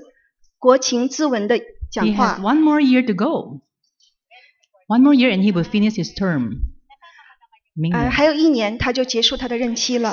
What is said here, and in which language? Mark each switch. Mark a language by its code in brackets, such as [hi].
[zh] 两周前，他在这个会议上做了第5次国情咨文的讲话。 [en] He has 1 more year to go. 1 more year, and he will finish his term. [zh] 还有一年，他就结束他的任期了。